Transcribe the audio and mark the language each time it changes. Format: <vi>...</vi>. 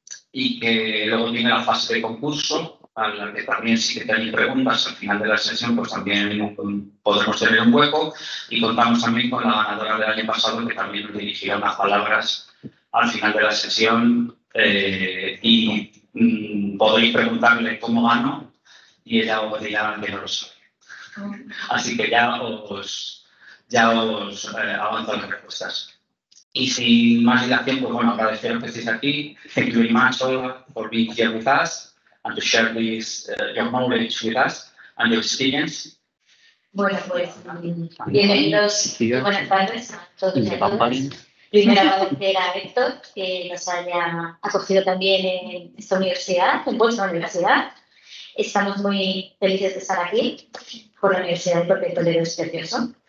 <es>y que luego tiene la fase de concurso, a la que también, si tenéis preguntas al final de la sesión, pues también podemos tener un hueco, y contamos también con la ganadora del año pasado, que también nos dirigirá unas palabras al final de la sesión, y podéis preguntarle cómo gano, y ella os dirá que no lo sabe. Así que ya os avanzo las respuestas. Y sin más dilación, pues bueno, agradeceros que estéis aquí.</es> <en>Thank you very much, Olga, for being here with us and to share this your knowledge with us and your experience.</en> <es>Bueno, pues bienvenidos y buenas tardes a todos y a todas. Primero agradecer a Héctor que nos haya acogido también en esta universidad, en vuestra universidad. Estamos muy felices de estar aquí por la universidad, porque Toledo es precioso.</es>